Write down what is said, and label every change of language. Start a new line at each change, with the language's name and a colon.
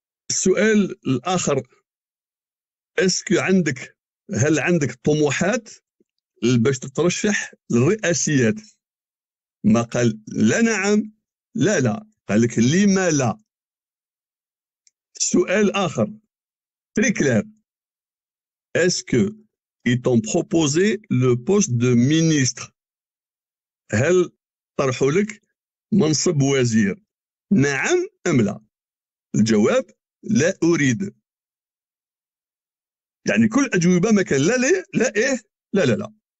Arabic: السؤال الآخر، اسكو عندك، هل عندك طموحات باش تترشح للرئاسيات، ما قال لا نعم لا لا، قال لك لما لا. سؤال آخر
French: تري كلير، اسكو ils t'ont proposé le poste de ministre.
Arabic: هل طرحوا لك منصب وزير؟ نعم أم لا؟ الجواب لا أريد. يعني كل أجوبة ما كان لا لي لا إيه لا لا لا.